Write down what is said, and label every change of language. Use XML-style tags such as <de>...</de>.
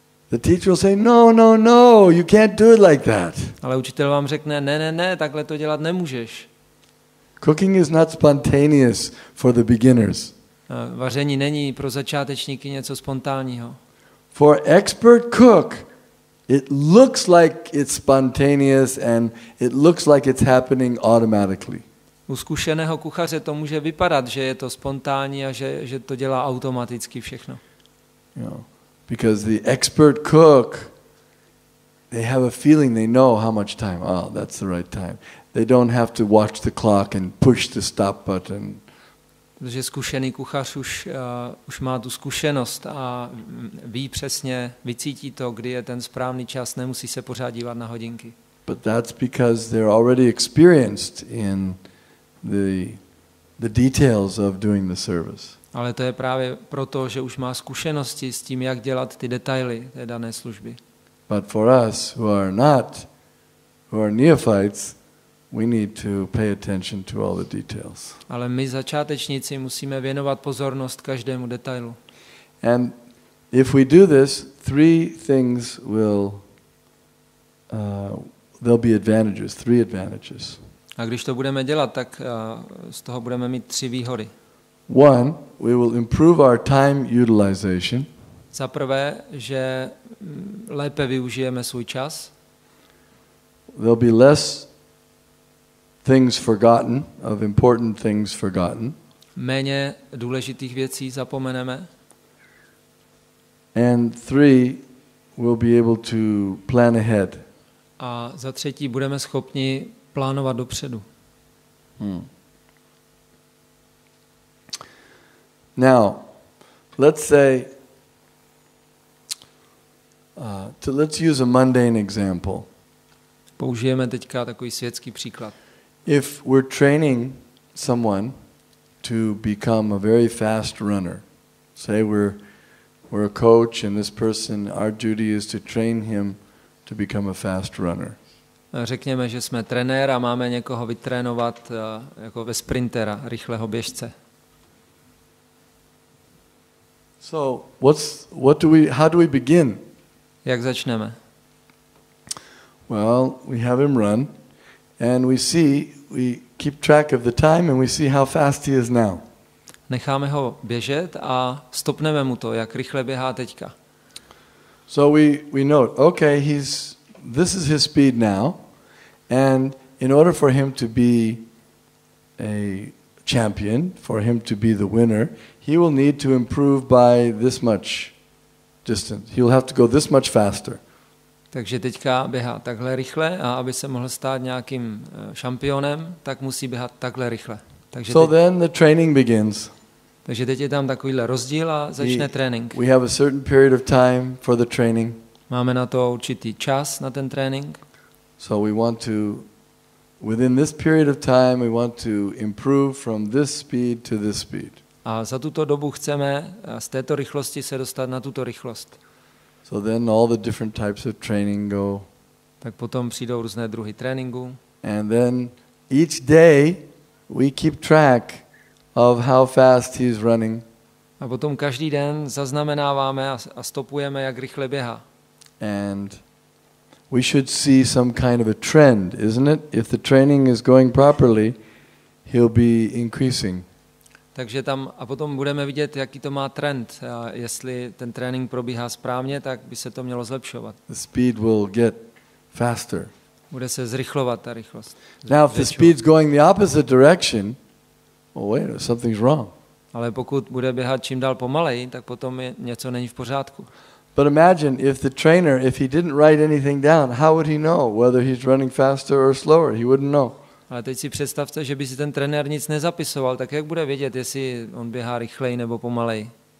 <en>The teacher will say, no, no, no, you can't do it like that.</en> <cs>Ale učitel vám řekne, ne, ne, ne, takhle to dělat nemůžeš.</cs> <en>Cooking is not spontaneous for the beginners.</en> <cs>Vaření není pro začátečníky něco spontánního.</cs> <en>For expert cook, it looks like it's spontaneous and it looks like it's happening automatically.</en> <cs>U zkušeného kuchaře to může vypadat, že je to spontánní a že to dělá automaticky všechno.</cs> <en>You know, because the expert cook, they have a feeling, they know how much time. Oh, that's the right time. They don't have to watch the clock and push the stop button.</en> <cs>Protože zkušený kuchař už má tu zkušenost a ví přesně, vycítí to, kdy je ten správný čas, nemusí se pořád dívat na hodinky.</cs> <en>But that's because they're already experienced in the details of doing the service.</en> <cs>Ale to je právě proto, že už má zkušenosti s tím, jak dělat ty detaily té dané služby.</cs> <en>But for us who are neophytes, we need to pay attention to all the details.</en> <cs>Ale my začátečníci musíme věnovat pozornost každému detailu.</cs> <en>And if we do this, three things will there'll be advantages, three advantages.</en> <cs>A když to budeme dělat, tak z toho budeme mít tři výhody.</cs> <en>One, we will improve our time utilization.</en> <cs>Za prvé, že lépe využijeme svůj čas.</cs> <en>There'll be less things forgotten, of important things forgotten.</en> <cs>Méně důležitých věcí zapomeneme.</cs> <en>And three, we'll be able to plan ahead.</en> <cs>A za třetí, budeme schopni plánovat dopředu.</cs> <en>Now, let's say let's use a mundane example.</en> <cs>Použijeme teďka takový světský příklad.</cs> <en>If we're training someone to become a very fast runner, say we're a coach and this person, our duty is to train him to become a fast runner.</en> <cs>Řekněme, že jsme trenér a máme někoho vytrénovat jako ve sprintera, rychlého běžce.</cs> <en>So, how do we begin?</en> <cs>Jak začneme?</cs> <en>Well, we have him run and we keep track of the time and we see how fast he is now.</en> <cs>Necháme ho běžet a stopneme mu to, jak rychle běhá teďka.</cs> <en>So we note, okay, this is his speed now. And in order for him to be a champion, for him to be the winner, he will need to improve by this much distance. He'll have to go this much faster.</en> <cs>Takže teďka běhá takhle rychle a aby se mohl stát nějakým šampionem, tak musí běhat takhle rychle. Takže</cs> <en>so then the training begins.</en> <cs>Takže teď je tam takovýhle rozdíl a začne trénink.</cs> <en>We have a certain period of time for the training.</en> <cs>Máme na to určitý čas na ten trénink.</cs> <en>So we want to, within this period of time, we want to improve from this speed to this speed.</en> <cs>A za tuto dobu chceme z této rychlosti se dostat na tuto rychlost.</cs> <en>So then all the different types of training go.</en> <cs>Tak potom přijdou různé druhy tréninku.</cs> <en>And then each day we keep track of how fast he's running.</en> <cs>A potom každý den zaznamenáváme a stopujeme, jak rychle běhá.</cs> <en>And we should see some kind of a trend, isn't it? If the training is going properly, he'll be increasing.</en> <cs>Takže tam a potom budeme vidět, jaký to má trend. A jestli ten trénink probíhá správně, tak by se to mělo zlepšovat.</cs> <en>The speed will get faster.</en> <cs>Bude se zrychlovat ta rychlost.</cs> <en>Now, if the speed's going the opposite direction, oh wait, something's wrong.</en> <cs>Ale pokud bude běhat čím dál pomaleji, tak potom něco není v pořádku.</cs> <en>But imagine if the trainer, if he didn't write anything down, how would he know whether he's running faster or slower? He wouldn't know.</en> <cs>Ale teď si představte, že by si ten trenér nic nezapisoval, tak jak bude vědět, jestli on běhá rychleji nebo pomaleji?</cs>